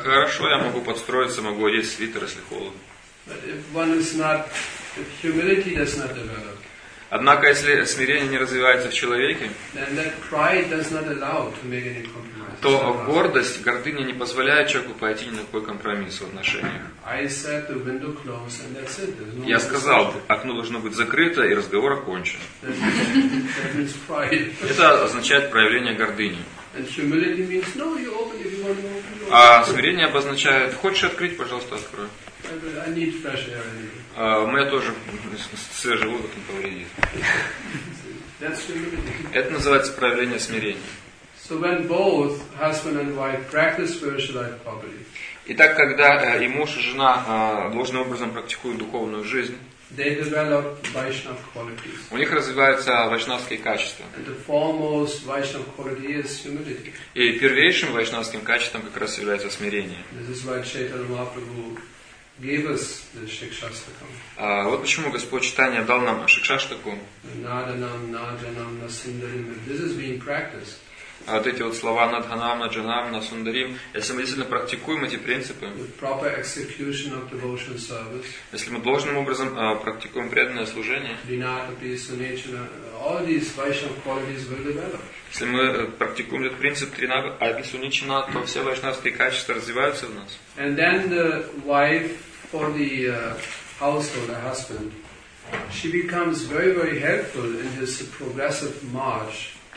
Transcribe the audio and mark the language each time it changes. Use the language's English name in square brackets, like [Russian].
[Russian] Хорошо, я могу подстроиться, могу одеть свитер, если холодно. [English] But if one is not, if humility does not develop. [Russian] Однако, если смирение не развивается в человеке, [English] then that pride does not allow to make any compromise. [Russian] То гордость, гордыня не позволяет человеку пойти ни на какой компромисс в отношениях. [English] I said the window closed, and that's it. There's no. [Russian] Я сказал, окно должно быть закрыто и разговор окончен. [English] That means pride. [Russian] Это означает проявление гордыни. [English] And humility means no, you open if you want to open. [Russian] А смирение обозначает, хочешь открыть, пожалуйста, открой. [English] I need fresh air. [Russian] Мне тоже свежий воздух не повредит. [English] That's humility. [Russian] Это называется проявление смирения. [English] So when both husband and wife practice spiritual life properly. [Russian] Итак, когда и муж и жена должным образом практикуют духовную жизнь. [English] They develop Vaishnava qualities. [Russian] У них развиваются вайшнавские качества. [English] And the foremost Vaishnava quality is humility. [Russian] И первейшим вайшнавским качеством как раз является смирение. [English] This is why Chaitanya Mahaprabhu gave us the Shikshastakam. [Russian] Вот почему Господь Чайтанья дал нам Шикшаштаку. [Sanskrit] Наданам, наджанам, насундарим. [English] This is being practiced. [Russian] Вот эти вот слова надханам, наджанам, насундарим. Если мы действительно практикуем эти принципы, [English] service, [Russian] если мы должным образом практикуем преданное служение, если мы практикуем этот принцип тринагапи суничина, то все вайшнавские качества развиваются в нас. [English] And then the wife for the household, the husband, she becomes very, very helpful in his progressive march.